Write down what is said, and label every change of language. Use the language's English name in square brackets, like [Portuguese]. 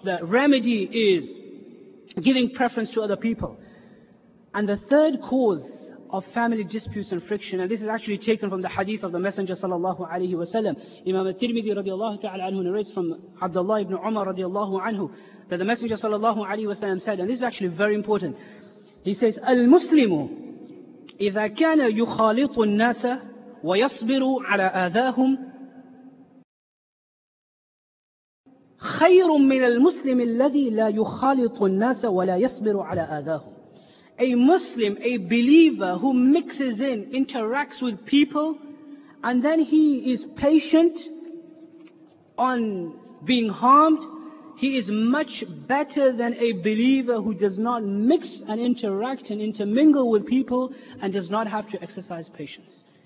[English] The remedy is giving preference to other people. And the third cause of family disputes and friction, and this is actually taken from the hadith of the Messenger sallallahu alayhi wa sallam. Imam al-Tirmidhi radiallahu ta'ala anhu narrates from Abdullah ibn Umar radiallahu anhu that the Messenger sallallahu alayhi wa sallam said, and this is actually very important. He says, [Arabic] Al-Muslimu إِذَا كَانَ يُخَالِطُ النَّاسَ وَيَصْبِرُ عَلَىٰ آذَاهُمْ خَيْرٌ مِّنَ الْمُسْلِمِ الَّذِي لَا يُخَالِطُ النَّاسَ وَلَا يَصْبِرُ عَلَىٰ آذَاهُمْ. [English] A Muslim, a believer who mixes in, interacts with people, and then he is patient on being harmed, he is much better than a believer who does not mix and interact and intermingle with people and does not have to exercise patience.